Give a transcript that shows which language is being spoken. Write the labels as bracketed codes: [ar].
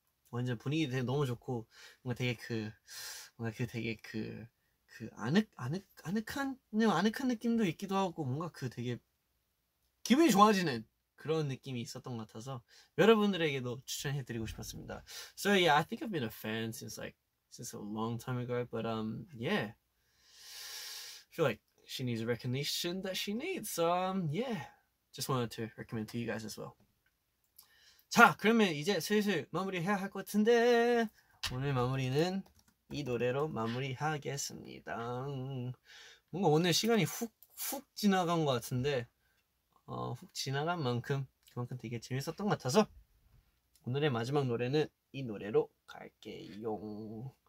[ko] 완전 분위기 되게 너무 좋고 뭔가 되게 그 그 아늑한 느낌도 있기도 하고 뭔가 그 되게 기분이 좋아지는 그런 느낌이 있었던 것 같아서 여러분들에게도 추천해드리고 싶었습니다. [en] So yeah, I think I've been a fan since a long time ago. But yeah, I feel like she needs a recognition that she needs. So yeah, just wanted to recommend to you guys as well. [ko] 자, 그러면 이제 슬슬 마무리해야 할 것 같은데 오늘 마무리는 이 노래로 마무리하겠습니다. 뭔가 오늘 시간이 훅 지나간 것 같은데 훅 지나간 만큼 그만큼 되게 재밌었던 것 같아서 오늘의 마지막 노래는 이 노래로 갈게요.